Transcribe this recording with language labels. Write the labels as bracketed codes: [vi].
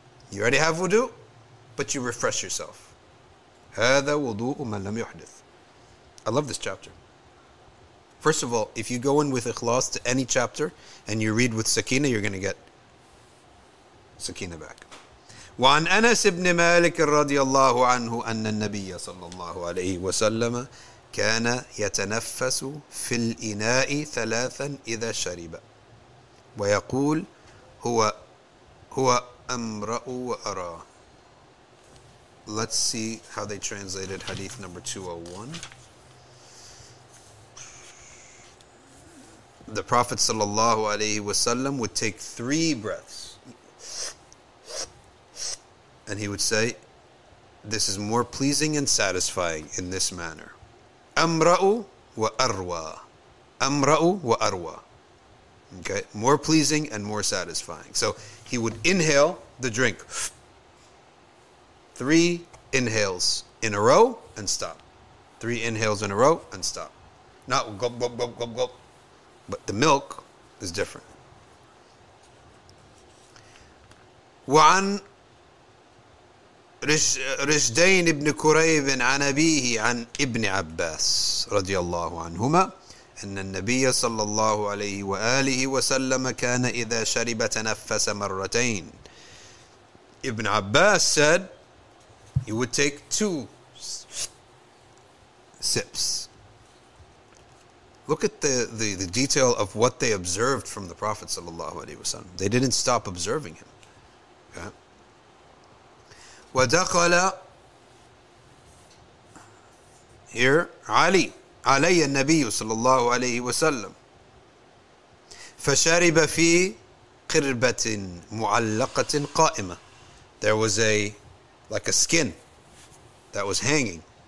[en] You already have wudu, but you refresh yourself. [ar] هذا wudu'u man lam yuhdith. [en] I love this chapter. First of all, if you go in with ikhlas to any chapter and you read with sakina, you're going to get sakina back. [ar] وعن أنس بن مالك رضي الله عنه أن النبي صلى الله عليه وسلم كان يتنفس في الإناء ثلاثا إذا شرب ويقول هو أمرأ وأرى. [en] Let's see how they translated hadith number 201. The Prophet صلى الله عليه وسلم would take three breaths. And he would say, this is more pleasing and satisfying in this manner. [ar] Amra'u wa arwa. Amra'u wa arwa. [en] Okay, more pleasing and more satisfying. So he would inhale the drink. Three inhales in a row and stop. Three inhales in a row and stop. Not gulp, gulp, gulp, gulp, gulp. But the milk is different. [ar] Wa'an رشدين ابن كريب عن أبيه عن ابن عباس رضي الله عنهما أن النبي صلى الله عليه وآله وسلم كان إذا شرب تنفس مرتين. [en] Ibn Abbas said he would take two sips. Look at the detail of what they observed from the Prophet صلى الله عليه وسلم. They didn't stop observing him. [ar] ودخل [en] here Ali [ar] علي النبي صلى الله عليه وسلم فشرب في قربة معلقة قائمة. [en] There was a like a skin that was hanging.